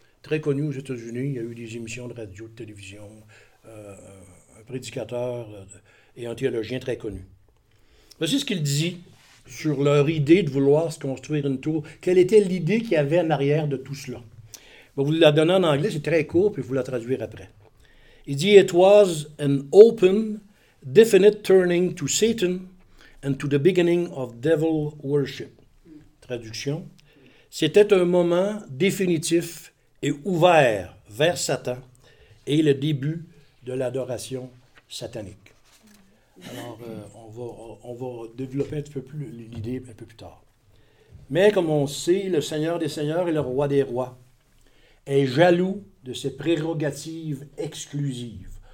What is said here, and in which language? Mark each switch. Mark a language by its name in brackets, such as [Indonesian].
[French] Très connu aux États-Unis, il y a eu des émissions de radio, de télévision, un prédicateur et un théologien très connu. Voici ce qu'il dit sur leur idée de vouloir se construire une tour. Quelle était l'idée qu'il y avait en arrière de tout cela? Je vous la donner en anglais, c'est très court, puis je vous la traduire après. Il dit, [English] « It was an open, definite turning to Satan and to the beginning of devil worship. » Traduction. [French] « C'était un moment définitif et ouvert vers Satan et le début de l'adoration satanique. » Alors, on va développer un peu plus l'idée un peu plus tard. Mais comme on sait, le Seigneur des Seigneurs et le Roi des Rois est jaloux de ses prérogatives exclusives.